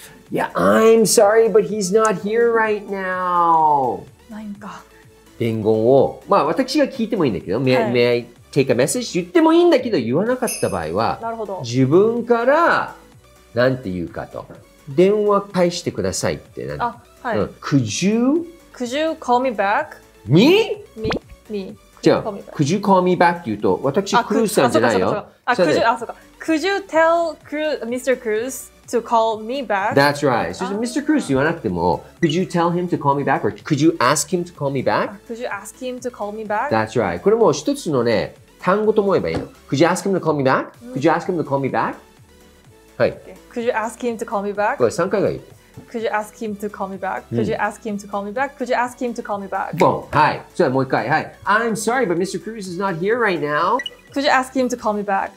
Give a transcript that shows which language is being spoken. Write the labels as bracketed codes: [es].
[en] Yeah, I'm sorry, but he's not here right now. [ja] なんか。伝言を、まあ、私が聞いてもいいんだけど、はい、 [en] May I... Take a message? [ja] 言ってもいいんだけど言わなかった場合は、なるほど、自分からなんて言うかと、電話返してくださいって、あ、はい、うん、 [en] Could you call me back? [ja] Me? じゃあ [en] Could you call me back? [ja] って言うと、私クルーズさんじゃないよ。 [en] Could you tell Mr. Cruz to call me back? That's right. So, Mr. Cruz [ja] 言わなくても [en] Could you tell him to call me back? Or could you ask him to call me back? Could you ask him to call me back? That's right. [ja] これも一つのね、単語と思えばいいの。 [en] Could you ask him to call me back? Could you ask him to call me back? [ja] はい。 [en] Could you ask him to call me back? [ja] これ3回がいい。 [en] Could you ask him to call me back? Could you ask him to call me back? Could you ask him to call me back? Could you ask him to call me back? Boom. [ja] はい。じゃあもう一回。はい。 [en] I'm sorry, but Mr. Cruz is not here right now. Could you ask him to call me back?